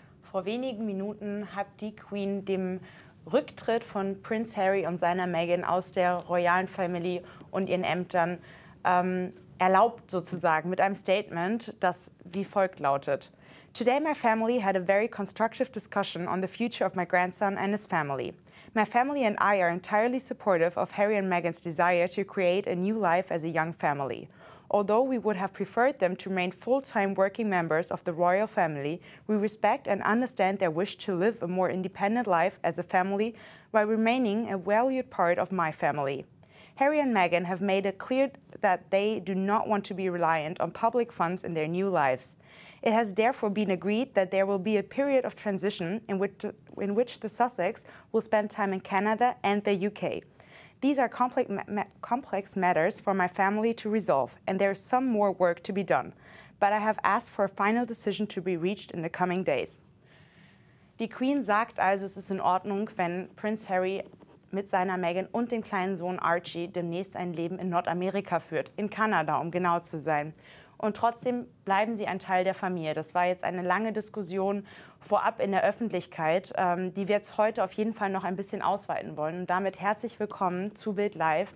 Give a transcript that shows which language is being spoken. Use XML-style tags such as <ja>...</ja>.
<de>Vor wenigen Minuten hat die Queen dem Rücktritt von Prinz Harry und seiner Meghan aus der royalen Family und ihren Ämtern erlaubt, sozusagen, mit einem Statement, das wie folgt lautet.</de> <en>Today my family had a very constructive discussion on the future of my grandson and his family. My family and I are entirely supportive of Harry and Meghan's desire to create a new life as a young family. Although we would have preferred them to remain full-time working members of the royal family, we respect and understand their wish to live a more independent life as a family while remaining a valued part of my family. Harry and Meghan have made it clear that they do not want to be reliant on public funds in their new lives. It has therefore been agreed that there will be a period of transition in which the Sussex will spend time in Canada and the UK. These are complex matters for my family to resolve, and there is some more work to be done. But I have asked for a final decision to be reached in the coming days.</en> <de>Die Queen sagt also, es ist in Ordnung, wenn Prinz Harry mit seiner Meghan und dem kleinen Sohn Archie demnächst ein Leben in Nordamerika führt, in Kanada, um genau zu sein. Und trotzdem bleiben sie ein Teil der Familie. Das war jetzt eine lange Diskussion vorab in der Öffentlichkeit, die wir jetzt heute auf jeden Fall noch ein bisschen ausweiten wollen. Und damit herzlich willkommen zu Bild Live.</de>